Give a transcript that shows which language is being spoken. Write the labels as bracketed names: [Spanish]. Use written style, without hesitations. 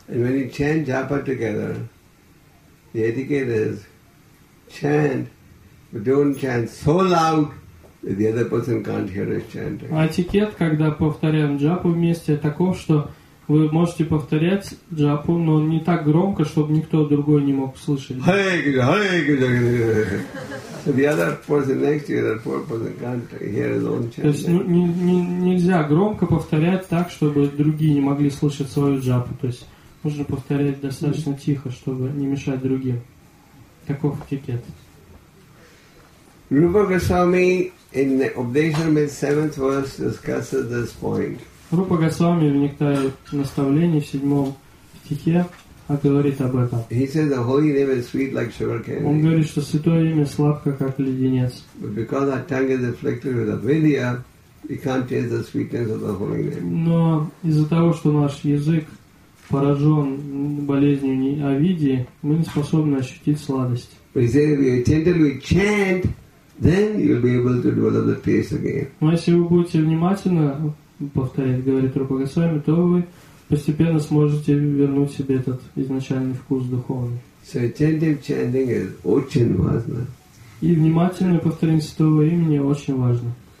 [English] And when you chant japa together, the etiquette is chant, but don't chant so loud that the other person can't hear us chanting. [Russian] Этикет, когда повторяем джапу вместе, таков, что вы можете повторять джапу, но не так громко, чтобы никто другой не мог слышать. [Sanskrit] Hare Krishna, Hare Krishna. [English] So the other person next to you, that poor person can't hear his own chanting. [Russian] То есть нельзя громко повторять так, чтобы другие не могли слышать свою джапу. То есть нужно повторять достаточно тихо, чтобы не мешать другим. Таков этикет. [English] Rupa Goswami in the Updeshanamrita 7th verse discusses this point. [Russian] Рупа Госвами в некоторое наставление в 7 стихе говорит об этом. [English] He says the holy name is sweet like sugar candy. [Russian] Он говорит, что святое имя сладко, как леденец. [English] But because our tongue is afflicted with avidya, we can't taste the sweetness of the holy name. [Russian] Но из-за того, что наш язык поражен болезнью авидии, мы не способны ощутить сладость. [English] But he says if you attentively chant, then you'll be able to develop the taste again. [Russian] Но если вы будете внимательно повторять, говорит Рупа Госвами, то вы постепенно сможете вернуть себе этот изначальный вкус духовный. [English] So attentive chanting is [Russian] очень важно. И внимательное повторение святого имени очень важно.